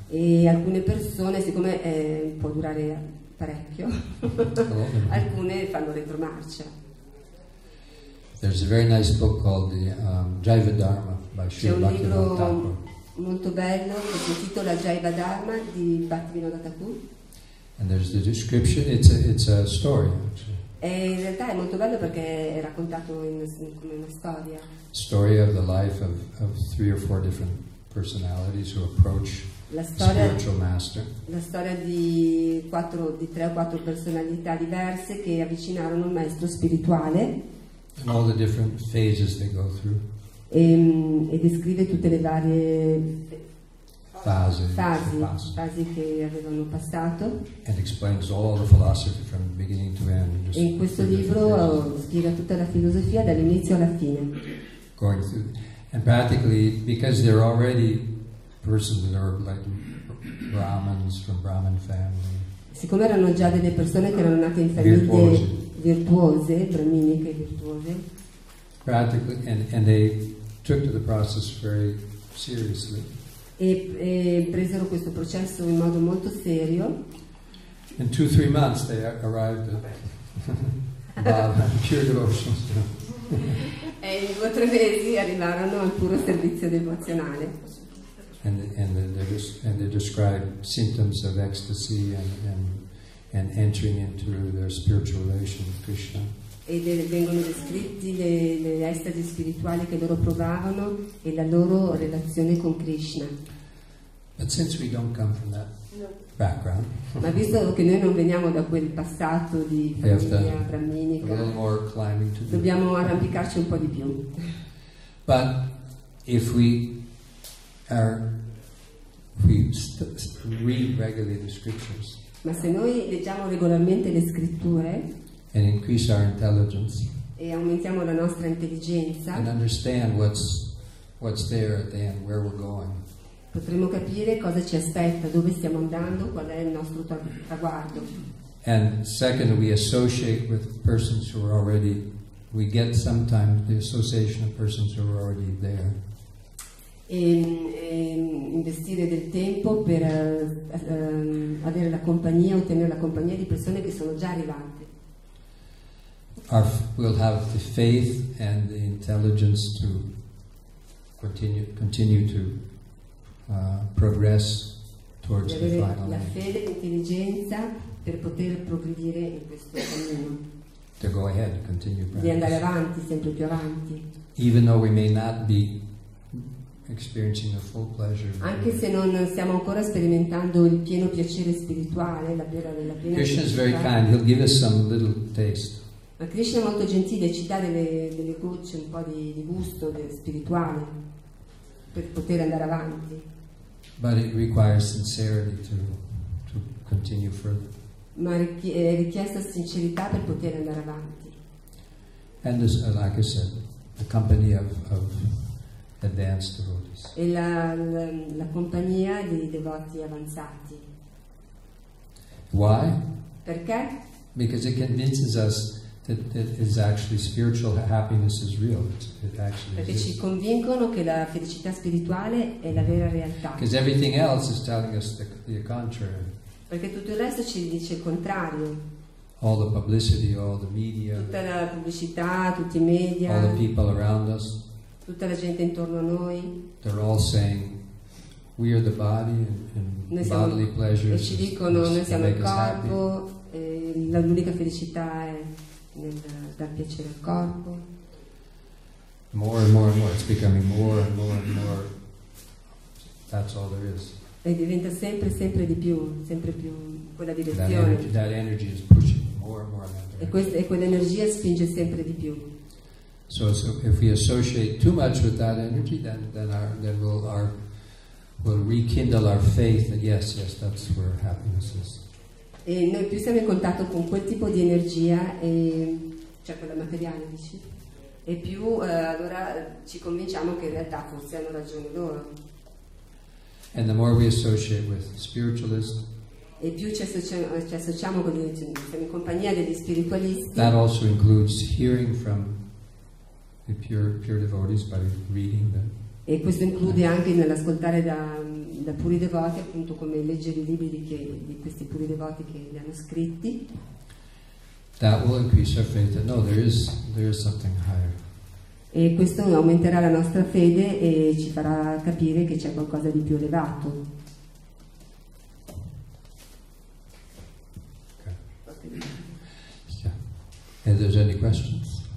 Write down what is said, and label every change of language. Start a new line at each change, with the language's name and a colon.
Italian: E alcune persone, siccome può durare parecchio, alcune fanno retromarcia.
English: There's a very nice book called the Jaiva Dharma by Sri Bhaktivinoda Thakur.
Italian: Molto bello, che si intitola Jaiva Dharma di Bhaktivinoda Thakur.
English: And there's the description, it's a story actually.
Italian: E in realtà è molto bello perché è raccontato come una storia.
English: Story of the life of three or four different personalities who approach spiritual master.
Italian: La storia di tre o quattro personalità diverse che avvicinarono un maestro spirituale.
English: And all the different phases they go through.
Italian: E descrive tutte le varie fasi che avevano passato.
English: And explains all the philosophy from beginning to end.
Italian: E in questo libro spiega tutta la filosofia dall'inizio alla fine.
English: Going through, and practically because they're already persons that are like Brahmins from Brahmin family.
Italian: Siccome erano già delle persone che erano nate in famiglie virtuose, brahminiche virtuose.
English: Practically, and they took to the process very seriously.
Italian: E presero questo processo in modo molto serio.
English: In 2-3 months they arrived at pure devotion.
Italian: E in 2-3 mesi arrivarono al puro servizio devozionale.
English: And they described symptoms of ecstasy and entering into their spiritual relation with Krishna.
Italian: E vengono descritti le estasi spirituali che loro provavano e la loro relazione con Krishna.
English: But since we don't come from that background,
Italian: ma visto che noi non veniamo da quel passato di famiglia brahminica, dobbiamo arrampicarci un po' di più.
English: But if we read regularly the scriptures,
Italian: ma se noi leggiamo regolarmente le scritture,
English: and increase our intelligence.
Italian: E aumentiamo la nostra intelligenza.
English: And understand what's there at the end, where we're going.
Italian: Potremmo capire cosa ci aspetta, dove stiamo andando, qual è il nostro traguardo.
English: And second, we associate with persons who are already. We get sometimes the association of persons who are already there.
Italian: E investire del tempo per avere la compagnia, ottenere la compagnia di persone che sono già arrivate.
English: We'll have the faith and the intelligence to continue to progress towards the final.
Italian: La fede e l'intelligenza per poter progredire in questo cammino.
English: To go ahead, continue progress.
Italian: Di andare avanti, sempre più avanti.
English: Even though we may not be experiencing the full pleasure.
Italian: Anche se non stiamo ancora sperimentando il pieno piacere spirituale, la piena della piena.
English: Krishna is very kind. He'll give us some little taste.
Italian: Ma Krishna è molto gentile, ci dà delle gocce, un po' di gusto spirituale per poter andare avanti.
English: But it requires sincerity to continue further.
Italian: Ma è richiesta sincerità per poter andare avanti.
English: And as, like I said, the company of advanced devotees.
Italian: E la compagnia dei devoti avanzati.
English: Why?
Italian: Perché?
English: Because it convinces us that is actually spiritual happiness is real. It actually
Italian: perché ci convincono che la felicità spirituale è la vera realtà.
English: Because everything else is telling us the contrary.
Italian: Perché tutto il resto ci dice il contrario.
English: All the publicity, all the media.
Italian: Tutta la pubblicità, tutti i media.
English: All the people around us.
Italian: Tutta la gente intorno a noi.
English: They're all saying we are the body and bodily pleasures.
Italian: E ci dicono noi siamo il corpo. L'unica felicità è dal piacere al corpo.
English: More and more and more, it's becoming more and more and more. That's all there is.
Italian: E diventa sempre di più, sempre più quella direzione.
English: That energy is pushing more and more in that direction.
Italian: E quell'energia spinge sempre di più.
English: So if we associate too much with that energy, then we'll rekindle our faith that yes, that's where happiness is.
Italian: E noi più siamo in contatto con quel tipo di energia, cioè quella materiale, dici, e più allora ci convinciamo che in realtà forse hanno ragione loro.
English: And the more we associate with spiritualists,
Italian: e più ci associamo con gli, siamo in compagnia degli spiritualisti.
English: That also includes hearing from the pure devotees by reading them.
Italian: E questo include anche nell'ascoltare da puri devoti, appunto, come leggere i libri di questi puri devoti che li hanno scritti.
English: That will increase our faith that no, there is something higher.
Italian: E questo aumenterà la nostra fede e ci farà capire che c'è qualcosa di più elevato.
English: Okay. Yeah. If there's any questions?